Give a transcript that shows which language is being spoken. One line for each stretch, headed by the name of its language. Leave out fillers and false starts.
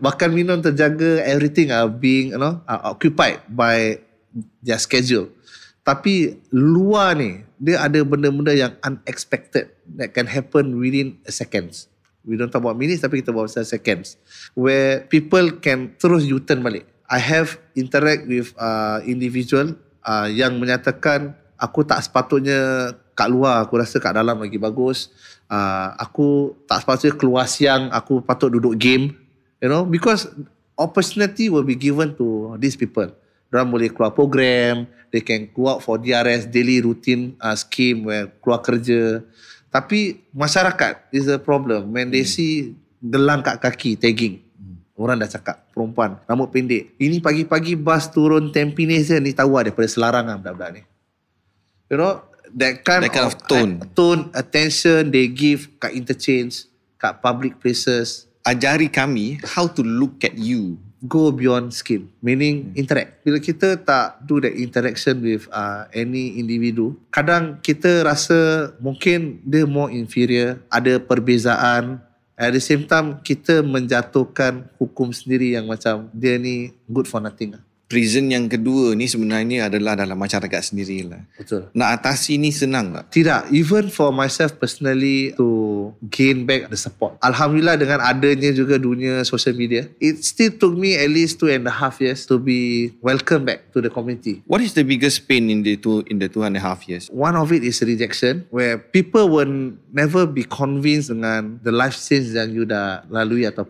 Malay: Makan minum terjaga,
English: everything being occupied by their schedule.
Malay: Tapi luar ni, dia ada benda-benda yang
English: unexpected that can happen within seconds. We don't talk about minutes,
Malay: tapi kita buat pasal seconds.
English: Where people can
Malay: terus U-turn balik.
English: I have interact with individual
Malay: yang menyatakan, aku tak sepatutnya kat luar, aku rasa kat dalam lagi bagus. Aku tak sepatutnya keluar siang, aku patut duduk game.
English: You know, because opportunity will be given to these people.
Malay: Mereka boleh keluar program,
English: they can go out for DRS, daily routine scheme, where
Malay: keluar kerja. Tapi masyarakat
English: is a problem. When they see
Malay: gelang kat kaki,
English: tagging.
Malay: Orang dah cakap, perempuan, rambut pendek. Ini pagi-pagi bas turun Tampines je, ni tahu lah daripada Selarang lah, budak-budak ni.
English: You know, that kind of tone. Tone, attention they give kat interchange, kat public places.
Malay: Ajari kami
English: how to look at you. Go beyond skin, meaning interact.
Malay: Bila kita tak
English: do that interaction with any individu,
Malay: kadang kita rasa mungkin dia
English: more inferior,
Malay: ada perbezaan.
English: At the same time,
Malay: kita menjatuhkan hukum sendiri yang macam dia ni
English: good for nothing.
Malay: Reason yang kedua ni sebenarnya adalah dalam masyarakat sendirilah. Betul. Nak atasi ni senang tak? Tidak.
English: Even for myself personally to gain back the support. Alhamdulillah
Malay: dengan adanya juga dunia
English: social media, it still took me at least 2.5 years to be welcome back to the community. What is the biggest pain in the two and a half years? One of it is rejection, where people will never be convinced dengan the life change yang you
Malay: dah lalui atau